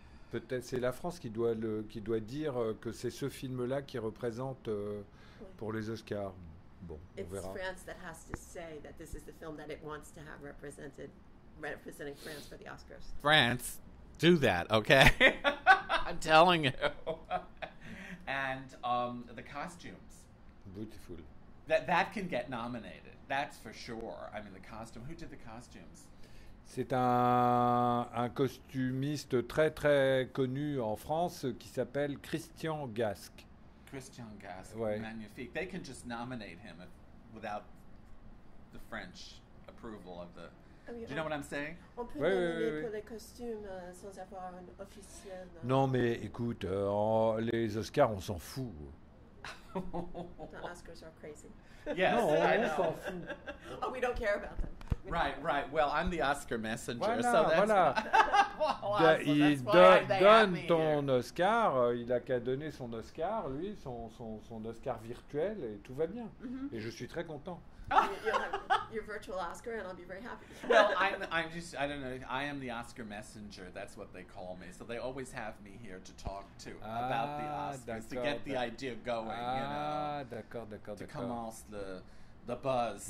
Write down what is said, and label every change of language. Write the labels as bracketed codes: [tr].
[fr] Peut-être c'est la France qui doit dire que c'est ce film-là qui représente pour les Oscars. Bon, [en] it's [fr] on verra. [en] It's France that has to say that this is the film that it wants to have representing France for the Oscars. France, do that, okay? I'm telling you. And the costumes. Beautiful. That can get nominated. That's for sure. I mean, the costume. Who did the costumes? [fr] C'est un costumiste très, très connu en France qui s'appelle Christian Gasque. Christian Gasque. Ouais. Magnifique. [en] They can just nominate him without the French approval of the... Do you know what I'm saying? [fr] On peut nominer pour les costumes sans avoir un officiel. Non, mais écoute, les Oscars, on s'en fout. [en] The Oscars are crazy. Yes, [fr] non, [en] I know. [fr] On s'en fout. [en] Oh, we don't care about them. Right. Well, I'm the Oscar messenger. [fr] Voilà, [en] so that's [fr] voilà. Donne ton Oscar. Il a qu'à donner son Oscar, lui, son Oscar virtuel, et tout va bien. Mm-hmm. Et je suis très content. [en] Your virtual Oscar, and I'll be very happy. Well, I'm just, I don't know, I am the Oscar messenger, that's what they call me. So they always have me here to talk to about the Oscars, to get the idea going, you know. [fr] D'accord. [en] To commence the buzz.